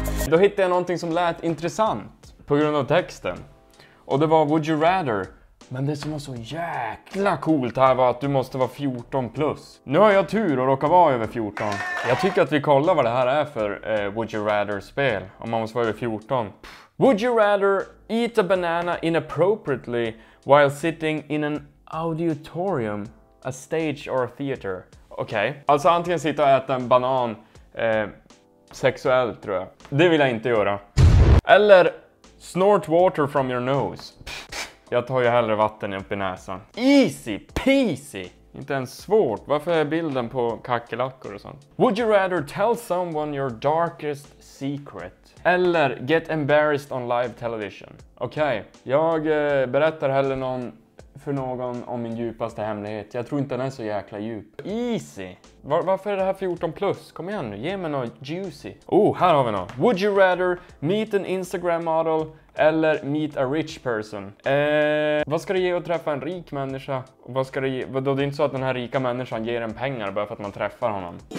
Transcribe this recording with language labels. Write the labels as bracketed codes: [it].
[sv] Då hittade jag någonting som lät intressant på grund av texten. Och det var Would You Rather. Men det som var så jäkla coolt här var att du måste vara 14 plus. Nu har jag tur och råkar vara över 14. Jag tycker att vi kollar vad det här är för Would You Rather-spel. Om man måste vara över 14. [en] Would you rather eat a banana inappropriately while sitting in an auditorium, a stage or a theater? [sv] Okej. Okay. Alltså antingen sitta och äta en banan sexuellt tror jag. Det vill jag inte göra. [en] Eller snort water from your nose. [sv] Jag tar ju hellre vatten upp i näsan. [en] Easy peasy. [sv] Inte ens svårt. Varför är bilden på kackelackor och sånt? [en] Would you rather tell someone your darkest secret? Eller get embarrassed on live television? Okej. Okay. [sv] Jag berättar hellre någon för någon om min djupaste hemlighet. Jag tror inte den är så jäkla djup. Easy. Varför är det här 14 plus? Kom igen nu. Ge mig något juicy. Oh, här har vi något. [en] Would you rather meet an Instagram model eller meet a rich person? [sv] Vad ska det ge att träffa en rik människa? Vad ska det ge? Vadå, det är inte så att den här rika människan ger en pengar bara för att man träffar honom.